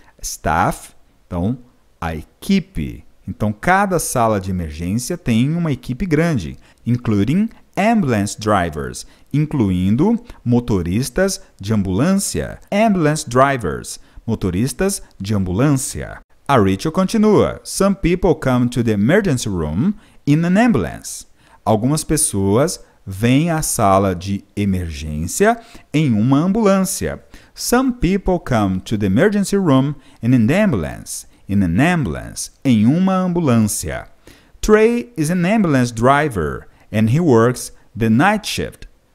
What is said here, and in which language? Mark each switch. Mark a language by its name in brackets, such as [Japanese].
[Portuguese] Staff, então, a equipe. Então, cada sala de emergência tem uma equipe grande, [English] including ambulance drivers, [Portuguese] incluindo motoristas de ambulância. [English] Ambulance drivers, [Portuguese] motoristas de ambulância. A Rachel continua. [English] Some people come to the emergency room in an ambulance. [Portuguese] Algumas pessoas vêm à sala de emergência em uma ambulância. [English] Some people come to the emergency room in an ambulance. In an ambulance, [Portuguese] em uma ambulância. [English] Trey is an ambulance driver and he works the night shift.